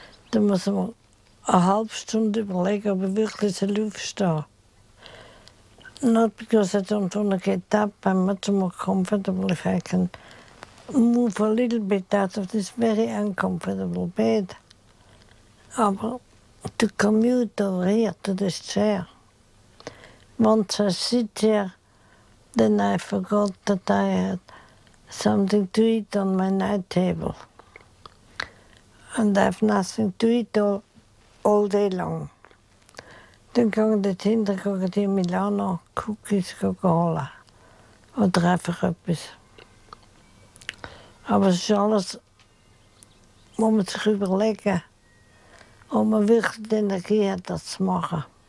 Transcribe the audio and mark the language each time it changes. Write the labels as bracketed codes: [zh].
[de] Da muss man eine halbe Stunde überlegen, ob ich wirklich aufstehen soll. [en] Not because I don't want to get up, I'm much more comfortable if I can move a little bit out of this very uncomfortable bed. [de] Aber [en] to commute over here to this chair. Once I sit here, then I forgot that I had something to eat on my night table. And I have nothing to eat all day long. [de] Dann gehe ich dahinter, gehe die Milano Cookies holen. Oder einfach etwas. Aber es ist alles, wo man sich überlegen muss. Ob man wirklich die Energie hat, das zu machen.